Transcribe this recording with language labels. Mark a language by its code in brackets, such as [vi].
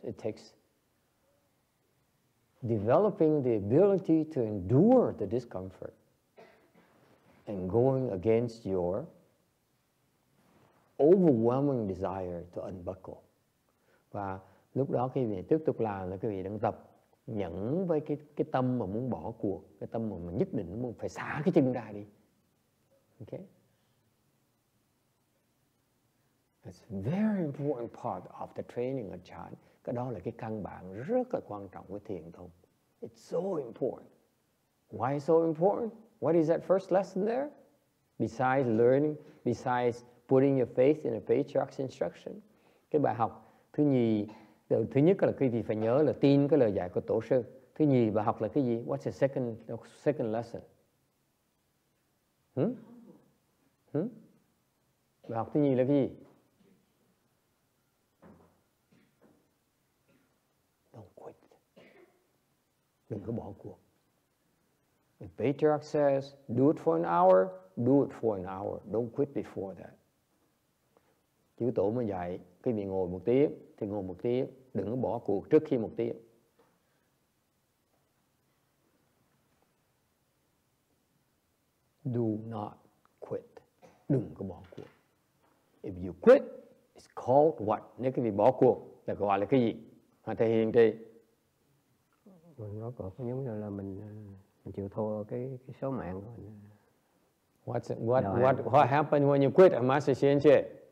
[en] It takes developing the ability to endure the discomfort and going against your overwhelming desire to unbuckle. [vi] Và lúc đó khi mình tiếp tục làm là quý vị đang tập nhẫn với cái tâm mà muốn bỏ cuộc, cái tâm mà nhất định muốn phải xả cái chân ra đi. [en] Okay? It's very important part of the training of chan. [vi] Cái đó là cái căn bản rất là quan trọng của thiền tông. [en] It's so important. Why so important? What is that first lesson there? Besides learning, besides putting your faith in a patriarch's instruction. [vi] Cái bài học thứ nhì, thứ nhất là quý vị phải nhớ là tin cái lời dạy của tổ sư. Thứ nhì bài học là cái gì? [en] What's the second lesson? [vi] Bài học thứ nhì là cái gì? Đừng có bỏ cuộc. [en] The patriarch says, do it for an hour, do it for an hour. Don't quit before that. [vi] Chư tổ mới dạy, quý vị ngồi một tiếng, thì ngồi một tiếng. Đừng có bỏ cuộc trước khi một tiếng. [en] Do not quit. [vi] Đừng có bỏ cuộc. [en] If you quit, it's called what? [vi] Nếu quý vị bỏ cuộc, là gọi là cái gì? Hả thầy hiện trì? Mình rốt cuộc giống như là mình chịu thua cái số mạng của mình. [en] What happened when you quit, Master Xuyên Chê?